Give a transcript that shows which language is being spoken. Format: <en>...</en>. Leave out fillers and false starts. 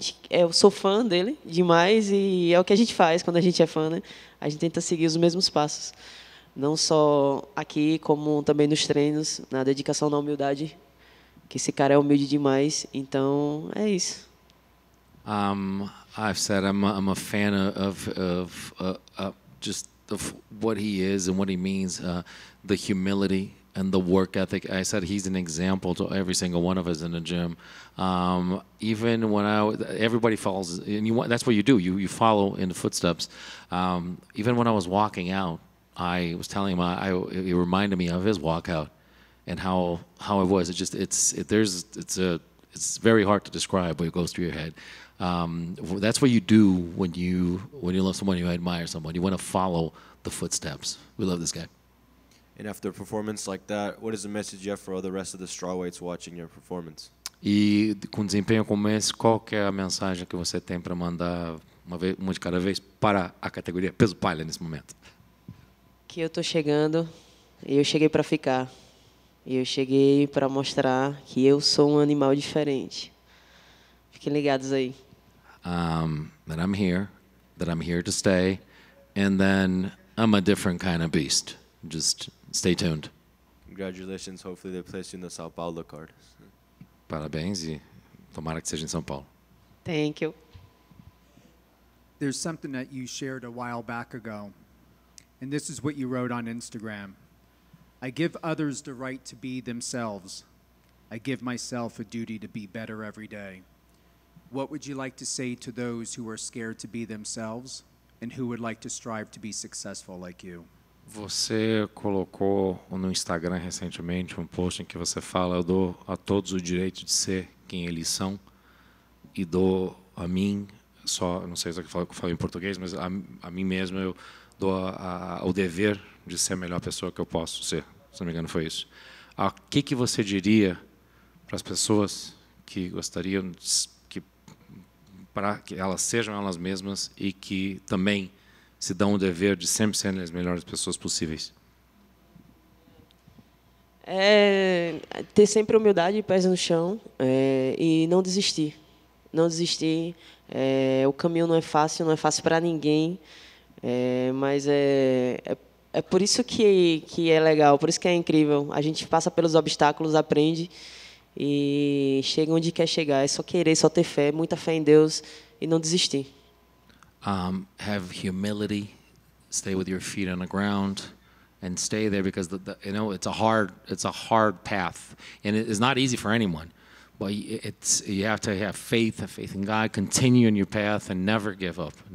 <pt>Eu sou fã dele demais e é o que a gente faz quando a gente é fã, né? A gente tenta seguir os mesmos passos. Não só aqui, como também nos treinos, na dedicação, na humildade. Que esse cara é humilde demais, então é isso.</pt> <en>I've said I'm a fan of what he is and what he means, the humility and the work ethic. I said he's an example to every single one of us in the gym. Even when everybody falls, and that's what you do. You follow in the footsteps. Even when I was walking out, I was telling him it reminded me of his walkout. And how it was. It's very hard to describe what goes through your head. That's what you do when you love someone, you admire someone. You want to follow the footsteps. We love this guy. And after a performance like that, what is the message you have for the rest of the strawweights watching your performance?</en> <pt>E com desempenho como esse, qual que é a mensagem que você tem para mandar uma de cada vez para a categoria peso palha nesse momento? Que eu tô chegando e eu cheguei para ficar. E eu cheguei para mostrar que eu sou um animal diferente. Fiquem ligados aí.</pt> <en>That I'm here, that I'm here to stay, and then I'm a different kind of beast. Just stay tuned. Congratulations, hopefully they place you in the São Paulo card.</en> <pt>Parabéns e tomara que seja em São Paulo.</pt> <en>Thank you. There's something that you shared a while back ago, and this is what you wrote on Instagram. I give others the right to be themselves. I give myself a duty to be better every day. What would you like to say to those who are scared to be themselves and who would like to strive to be successful like you?</en> <pt>Você colocou no Instagram recentemente um post em que você fala: eu dou a todos o direito de ser quem eles são e dou a mim, só não sei se é que falo em português, mas a mim mesmo eu dou o dever de ser a melhor pessoa que eu posso ser. Se não me engano, foi isso. O que você diria para as pessoas que gostariam para que elas sejam elas mesmas e que também se dão o dever de sempre serem as melhores pessoas possíveis? É ter sempre humildade, pés no chão, e não desistir. Não desistir. O caminho não é fácil, não é fácil para ninguém. Mas é por isso que é legal, por isso que é incrível. A gente passa pelos obstáculos, aprende e chega onde quer chegar. É só querer, só ter fé, muita fé em Deus e não desistir.</pt> <en>Have humility, stay with your feet on the ground, and stay there because you know it's a hard path, and it's not easy for anyone. But you have to have faith in God, continue in your path, and never give up.</en>